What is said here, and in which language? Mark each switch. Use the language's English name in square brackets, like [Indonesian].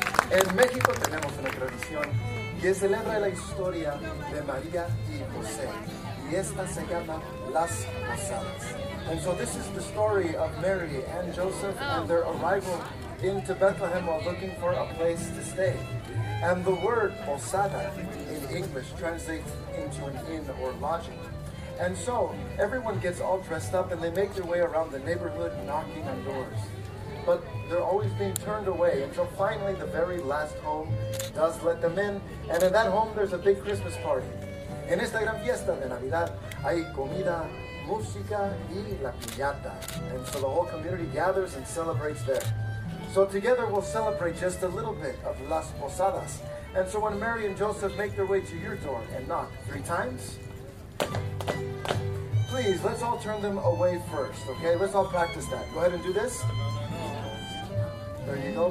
[Spanish] En México tenemos una tradición que celebra la historia de María y José. Y esta se llama Las Posadas. [English] And so this is the story of Mary and Joseph and their arrival into Bethlehem while looking for a place to stay. And the word posada in English translates into an inn or lodging. And so everyone gets all dressed up and they make their way around the neighborhood knocking on doors. But they're always being turned away until finally the very last home does let them in. And in that home, there's a big Christmas party. [Spanish] En esta gran fiesta de Navidad hay comida, música y la piñata. [English] And so the whole community gathers and celebrates there. So together we'll celebrate just a little bit of Las Posadas. And so when Mary and Joseph make their way to your door and knock three times, please, let's all turn them away first, okay? Let's all practice that. Go ahead and do this. There you go.